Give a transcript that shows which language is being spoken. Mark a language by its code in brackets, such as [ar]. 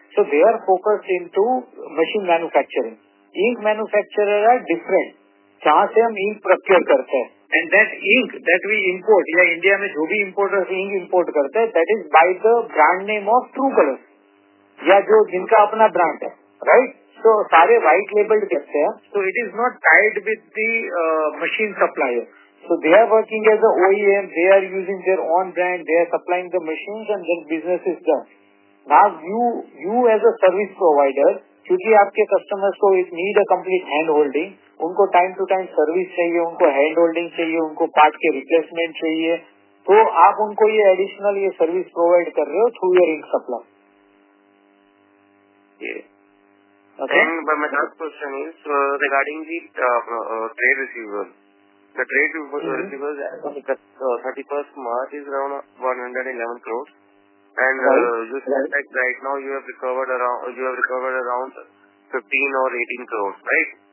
[en] So they are focused into machine manufacturing. Ink manufacturer are different. [hi] Jahan se hum ink procure karte hai. [en] And that ink that we import, yeah, [hi] India mein jo bhi importers ink import karte hai, [en] that is by the brand name of Truecolor. [hi] या जो जिनका अपना brand है, right? तो सारे white labelled करते हैं, [en] So it is not tied with the machine supplier. So they are working as a OEM, they are using their own brand, they are supplying the machine and their business is done. Now you as a service provider, [hi] क्योंकि आपके customers को [en] it need a complete hand holding, [hi] उनको time to time service चाहिए, उनको hand holding चाहिए, उनको part के replacement चाहिए, तो आप उनको ये एडिशनल ये सर्विस प्रोवाइड कर रहे हो [en] Through your ink supply. Okay. And but my last question is regarding the trade receivables. The trade receivables as of 31st March is around 111 crores. And you said that right now you have recovered around 15 or 18 crores, right?